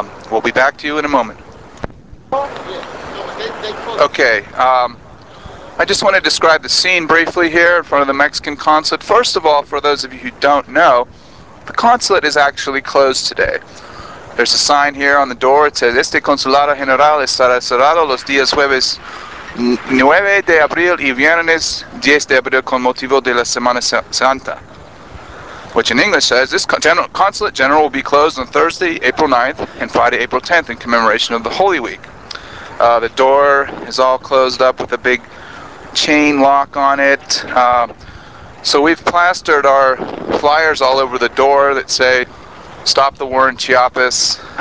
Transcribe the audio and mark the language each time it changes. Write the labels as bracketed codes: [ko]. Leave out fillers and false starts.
[en] We'll be back to you in a moment. Okay, I just want to describe the scene briefly here in front of the Mexican consulate. First of all, for those of you who don't know, the consulate is actually closed today. There's a sign here on the door. It says, [es] Este consulado general estará cerrado los días jueves 9 de abril y viernes 10 de abril con motivo de la Semana Santa. [en] Which in English says, this consulate general will be closed on Thursday, April 9th and Friday, April 10th in commemoration of the Holy Week. The door is all closed up with a big chain lock on it. So we've plastered our flyers all over the door that say, stop the war in Chiapas.